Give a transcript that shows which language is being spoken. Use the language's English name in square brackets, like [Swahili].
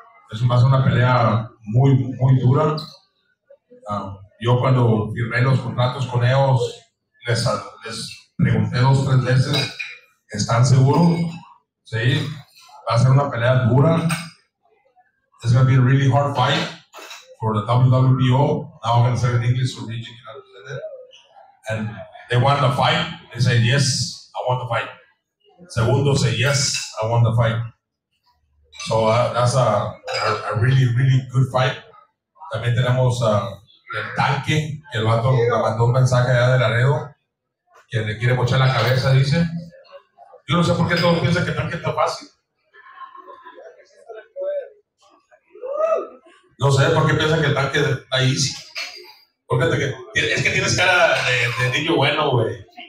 [Spanish] Es una pelea muy, muy dura. Yo cuando firmé los contratos con ellos, les pregunté 2 o 3 veces, ¿están seguros? Sí, va a ser una pelea dura. [English] It's going to be a really hard fight for the WWO. Now I'm going to say it in English, so Richie can understand it. And they want to fight. They say, yes, I want to fight. Segundo say, yes, I want to fight. So that's a really, really good fight. [Spanish] También tenemos el tanque, que el vato le mandó un mensaje allá de Laredo, que le quiere mochar la cabeza, dice. Yo no sé por qué todos piensan que el tanque está fácil. No sé por qué piensan que el tanque está easy. Porque es que tienes cara de niño bueno, güey.